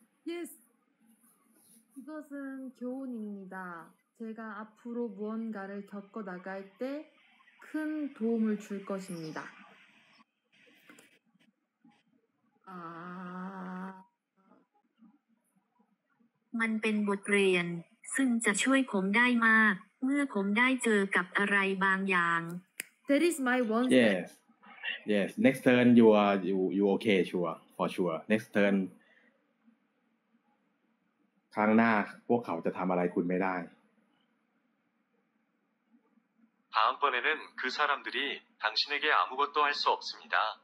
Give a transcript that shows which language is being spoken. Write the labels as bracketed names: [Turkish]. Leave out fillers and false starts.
[Korean] yes 이것은교훈입니다제가앞으로무언가를겪어나갈때큰도움을줄것입니다아 [Thai] มันเป็นบทเรียนซึ่งจะช่วยผมได้มากเมื่อผมได้เจอกับอะไรบางอย่าง [English] That is my one Yes Yes next turn you okay sure for sure next turn [Thai] ครั้งหน้าพวกเขาจะทำอะไรคุณไม่ได้ [Korean] 다음번에는그사람들이당신에게아무것도할수없습니다